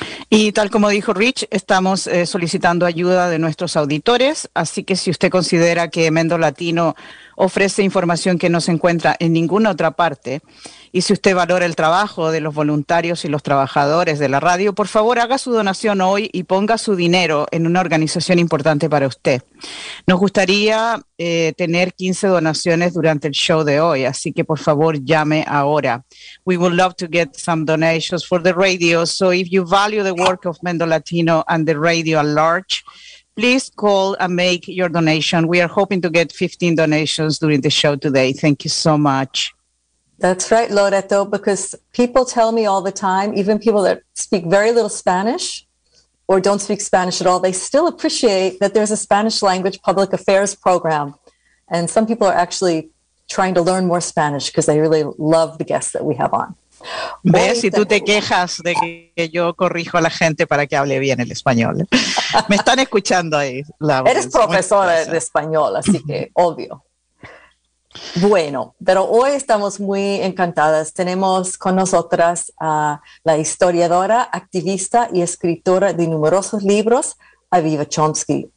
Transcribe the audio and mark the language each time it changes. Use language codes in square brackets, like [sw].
[es] Y tal como dijo Rich, estamos solicitando ayuda de nuestros auditores, así que si usted considera que Mendo Latino ofrece información que no se encuentra en ninguna otra parte, y si usted valora el trabajo de los voluntarios y los trabajadores de la radio, por favor haga su donación hoy y ponga su dinero en una organización importante para usted. Nos gustaría tener 15 donaciones durante el show de hoy, así que por favor llame ahora. [en] We would love to get some donations for the radio, so if you value the work of Mendo Latino and the radio at large, please call and make your donation. We are hoping to get 15 donations during the show today. Thank you so much. That's right, Loreto, because people tell me all the time, even people that speak very little Spanish or don't speak Spanish at all, they still appreciate that there's a Spanish language public affairs program. And some people are actually trying to learn more Spanish because they really love the guests that we have on. [es] ¿Ves? Y tú te quejas de que yo corrijo a la gente para que hable bien el español. Me están escuchando ahí. Eres profesora de español, así que obvio. Bueno, pero hoy estamos muy encantadas. Tenemos con nosotras a la historiadora, activista y escritora de numerosos libros, Aviva Chomsky.